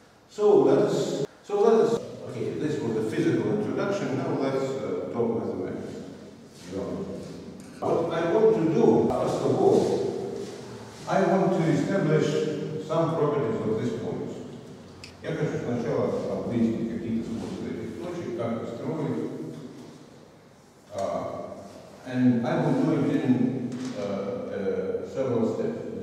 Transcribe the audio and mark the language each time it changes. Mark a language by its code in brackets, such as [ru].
[en] So let us. Okay, this was the physical introduction. Now let's talk mathematics. What I want to do, first of all, I want to establish some properties of these points. [ru] Я хочу сначала объяснить какие-то свойства этих точек, как построить. [en] And I would do it in several steps.